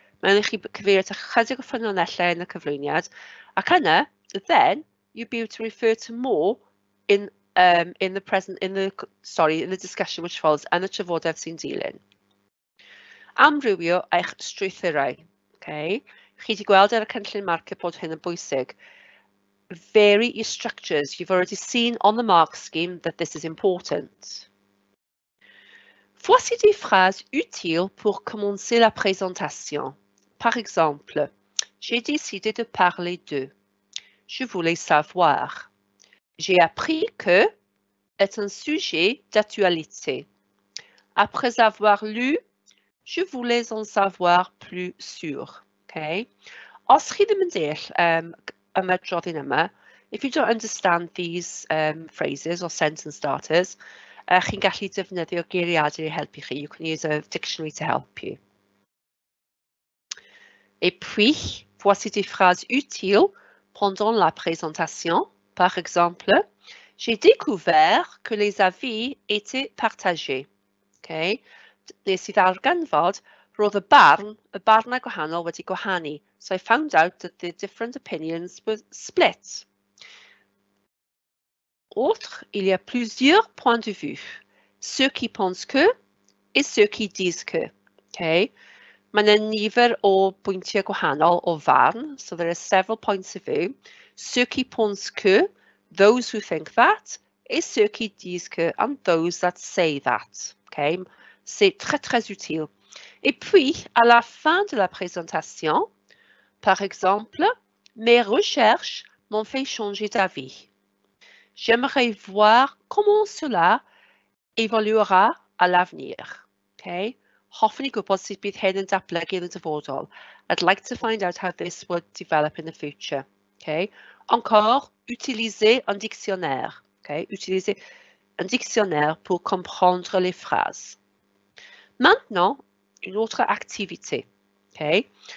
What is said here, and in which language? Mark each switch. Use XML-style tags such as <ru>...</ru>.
<cy>Mae'n eich cyfeirio at ychydig o ffynonellau yn y cyflwyniad. Ac yna,</cy> <en>then, you'll be able to refer to more in the discussion which follows</en> <cy>yn y trafodaeth sy'n dilyn. Amrywio eich strwythurau, okay. Chi wedi gweld ar y cynllun marcio bod hyn yn bwysig.</cy> <en>Vary your structures. You've already seen on the mark scheme that this is important.</en> <fr>Voici des phrases utiles pour commencer la présentation. Par exemple, j'ai décidé de parler de. Je voulais savoir. J'ai appris que est un sujet d'actualité. Après avoir lu, je voulais en savoir plus sur. Okay.</fr> <cy>os chi ddim yn deall ymadroddi'n yma,</cy> <en>if you don't understand these phrases or sentence starters,</en> <cy>chi'n gallu defnyddio geiriadur I helpu chi.</cy> <en>You can use a dictionary to help you.</en> <fr>Et puis, voici des phrases utiles pendant la présentation. Par exemple, j'ai découvert que les avis étaient partagés.</fr> <cy>Okay. Nes I ddarganfod, roedd y barn a gwahanol wedi gwahanu.</cy> <en>So I found out that the different opinions were split.</en> <fr>Autre, il y a plusieurs points de vue. Ceux qui pensent que et ceux qui disent que.</fr> <cy>Okay. Mae'n nifer o bwyntiau gwahanol o farn.</cy> <en>So there are several points of view.</en> <fr>Ceux qui pensent que,</fr> <en>those who think that,</en> <fr>et ceux qui disent que,</fr> <en>and those that say that.</en> <fr>Okay. C'est très, très utile. Et puis, à la fin de la présentation, par exemple, mes recherches m'ont fait changer d'avis. J'aimerais voir comment cela évoluera à l'avenir. Okay.</fr> <cy>Hoffwn i gwybod sut bydd hyn yn datblygu yn y dyfodol.</cy> <en>I'd like to find out how this would develop in the future.</en> <fr>Okay. Encore, utiliser un dictionnaire. Okay. Utiliser un dictionnaire pour comprendre les phrases. Maintenant, une autre activité. Okay.</fr>